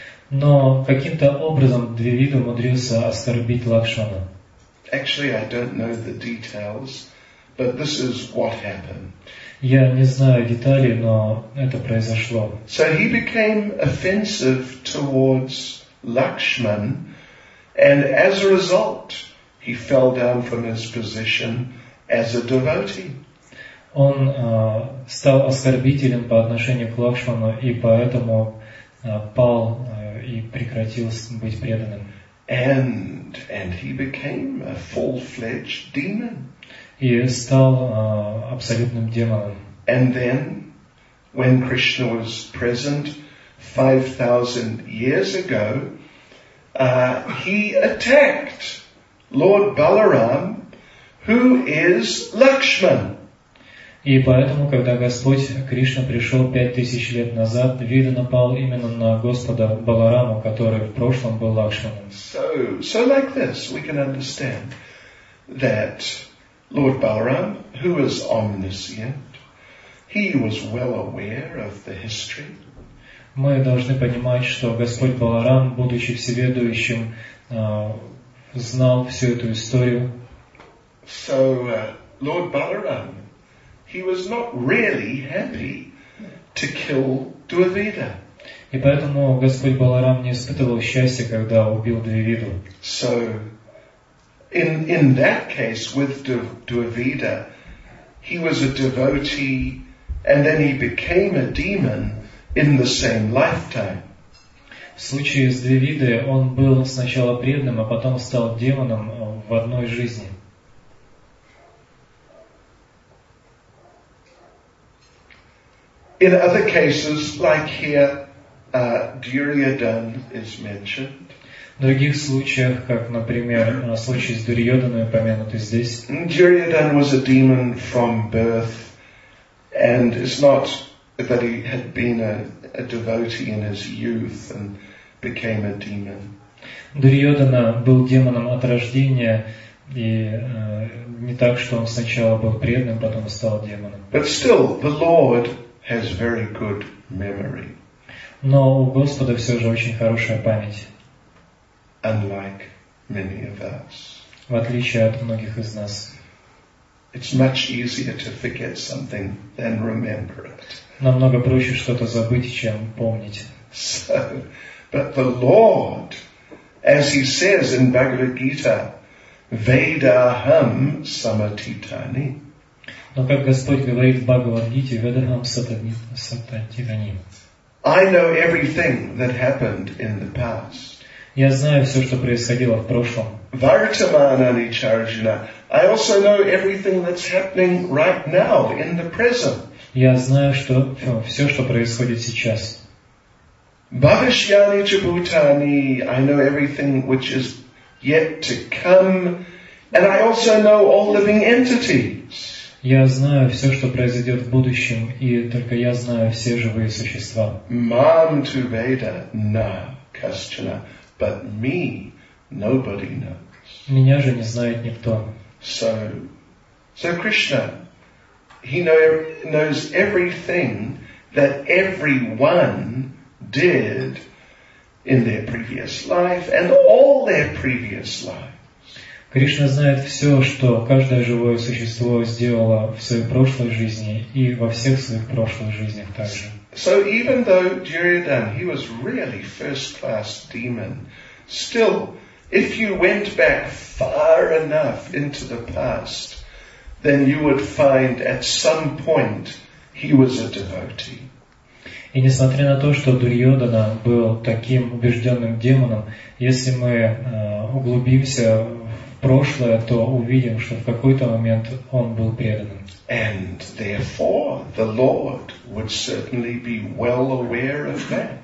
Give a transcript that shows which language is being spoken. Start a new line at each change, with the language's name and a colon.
Russian: Но каким-то образом Дурбида умудрился оскорбить Лакшмана.
English: Actually, I don't know the details, but this is what happened.
Russian: Я не знаю детали, но это произошло.
English: So he became offensive towards Lakshman, and as a result, he fell down from his position as a devotee.
Russian: Он стал оскорбителен по отношению к Лакшману и поэтому пал и прекратил быть преданным.
English: And he became a full-fledged demon.
Russian: И стал абсолютным демоном.
English: And then, when Krishna was present 5,000 years ago, he attacked Lord Balaram, who is Lakshman.
Russian: И поэтому, когда Господь Кришна пришел 5000 лет назад, Дурбида напал именно на Господа Балараму, который в прошлом был Лакшманом.
English: So like this, we can understand that Lord Balaram, who is omniscient, He was well aware of the history.
Russian: Мы должны понимать, что Господь Баларам, будучи всеведущим, знал всю эту историю.
English: So, Lord Balaram, he was not really happy to kill Duryodhana.
Russian: И поэтому Господь Баларам не испытывал счастья, когда убил Дурьодхану.
English: So, in that case with Duryodhana, he was a devotee, and then he became a demon in the same lifetime.
Russian: В случае с Дурьодханой он был сначала преданным, а потом стал демоном в одной жизни.
English: In other cases, like here, Duryodhana is mentioned.
Russian: В других случаях, как, например, случай с Дурьодханой упомянутый здесь.
English: Duryodhana was a demon from birth, and it's not that he had been a devotee in his youth and became a demon.
Russian: Дурьодхана был демоном от рождения, и не так, что он сначала был преданным, потом стал демоном.
English: But still, the Lord has very good memory.
Russian: Но у Господа все же очень хорошая память.
English: Unlike many of us.
Russian: В отличие от многих из нас.
English: It's much easier to forget something than remember it.
Russian: Намного проще что-то забыть, чем помнить.
English: So, but the Lord, as he says in Bhagavad Gita,
Sanskrit: Vedaham Samatitani.
Russian: Но как Господь говорит в Бхагавад-гите,
Sanskrit: Vedaham Samatitani.
English: I know everything that happened in the past.
Russian: Я знаю все, что происходило в прошлом.
Sanskrit: Vartamanani Charjuna.
English: I also know everything that's happening right now in the present.
Russian: Я знаю, что все, что происходит сейчас.
Sanskrit: Bhavishyani Chabutani.
English: I know everything which is yet to come. And I also know all living entities.
Russian: Я знаю все, что произойдет в будущем, и только я знаю все живые существа.
Sanskrit: Mam tu veda na kaschana,
English: but me nobody knows.
Russian: Меня же не знает никто.
English: So Krishna, he knows everything that everyone did in their previous life and all their previous lives.
Russian: Кришна знает все, что каждое живое существо сделало в своей прошлой жизни и во всех своих прошлых жизнях также.
English: So even though Duryodhana, he was really first-class demon, still, if you went back far enough into the past, then you would find at some point he was a devotee.
Russian: И несмотря на то, что Дурьодхана был таким убежденным демоном, если мы углубимся прошлое, то увидим, что в какой-то момент он был преданным.
English: And therefore the Lord would certainly be well aware of that.